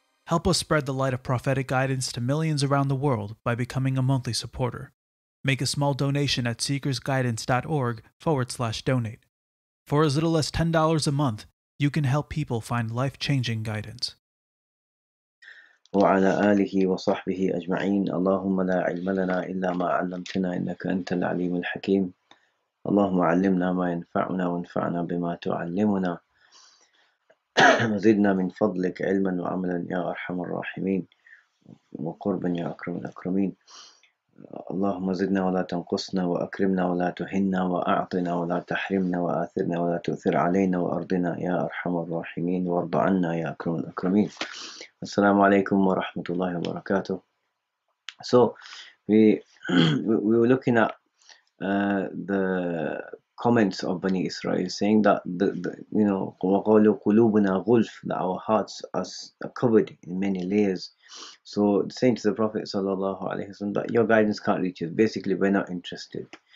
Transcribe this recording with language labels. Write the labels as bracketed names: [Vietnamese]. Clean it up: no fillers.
[English] Help us spread the light of prophetic guidance to millions around the world by becoming a monthly supporter. Make a small donation at seekersguidance.org/donate. For as little as $10 a month, you can help people find life-changing guidance. [Arabic] وعلى آله وصحبه أجمعين اللهم لا علم لنا إلا ما علمتنا إنك أنت العليم الحكيم اللهم علمنا ما ينفعنا وانفعنا بما تعلمنا زدنا من فضلك علما وعملا يا أرحم الراحمين وقربا يا أكرم الأكرمين اللهم زدنا ولا تنقصنا وأكرمنا ولا تهنا وأعطنا ولا تحرمنا وآثرنا ولا تؤثر علينا وأرضنا يا أرحم الراحمين وارض عنا يا أكرم الأكرمين السلام عليكم ورحمة الله وبركاته. [English] So we were looking at the comments of Bani Israel saying that [Arabic] قَوَقَوْلُ قُلُوبُنَا غُلْفٌ, [English] that our hearts are covered in many layers. So saying to the Prophet sallallahu alaihi wasallam that your guidance can't reach us, basically we're not interested.